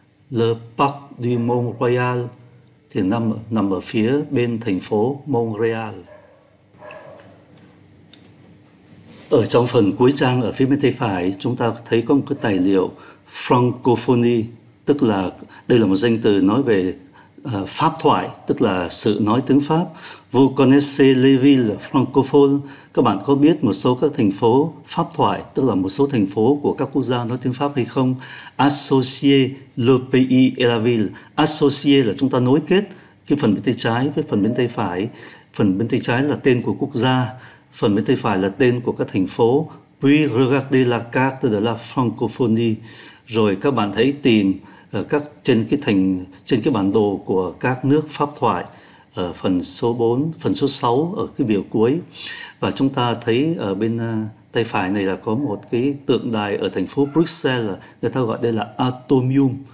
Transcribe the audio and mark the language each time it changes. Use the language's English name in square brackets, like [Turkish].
[Vietnamese] Le Parc du Mont-Royal thì nằm ở phía bên thành phố Montreal. Ở trong phần cuối trang ở phía bên tay phải chúng ta thấy có một cái tài liệu Francophonie, tức là đây là một danh từ nói về pháp thoại, tức là sự nói tiếng Pháp. [French] Vous connaissez les villes francophones? [Vietnamese] Các bạn có biết một số các thành phố pháp thoại, tức là một số thành phố của các quốc gia nói tiếng Pháp hay không? [French] Associer le pays et la ville. [Vietnamese] Associer là chúng ta nối kết cái phần bên tay trái với phần bên tay phải. Phần bên tay trái là tên của quốc gia, phần bên tay phải là tên của các thành phố. [French] Puis regardez la carte de la Francophonie. [Vietnamese] Rồi các bạn hãy tìm ở các trên cái bản đồ của các nước pháp thoại ở phần số 4, phần số 6 ở cái biểu cuối. Và chúng ta thấy ở bên tay phải này là có một cái tượng đài ở thành phố Brussels, người ta gọi đây là Atomium.